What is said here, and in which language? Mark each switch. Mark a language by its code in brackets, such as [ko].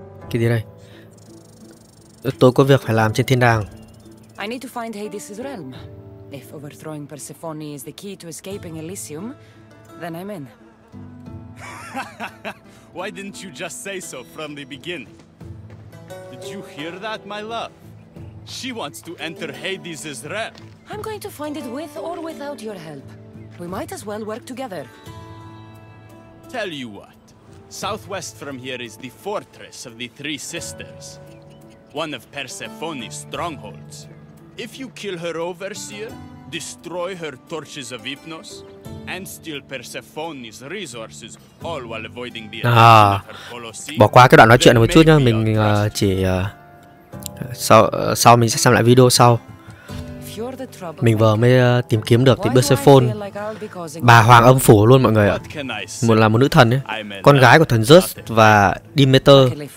[vi] Cái gì đây? Tôi có việc phải làm trên thiên đàng. [en] I need to find Hades' realm. If overthrowing Persephone is the key to escaping Elysium, then I'm in. Why didn't you just say so from the beginning? Did you hear that, my love? She wants to enter Hades' realm. I'm going to find it with or without your help. We might as well work together. Tell you what. Southwest from here is the fortress of the Three Sisters. One of Persephone's strongholds. If you kill her overseer, destroy her torches of Hypnos, and steal Persephone's resources, all while avoiding the attack of her Colosseum. [vi] Bỏ qua cái đoạn nói chuyện này một chút nhá, mình chỉ sau mình sẽ xem lại video sau. Mình vừa mới tìm kiếm được thì Persephone, bà hoàng âm phủ luôn mọi người ạ, một là một nữ thần ấy, con gái của thần Zeus và Demeter.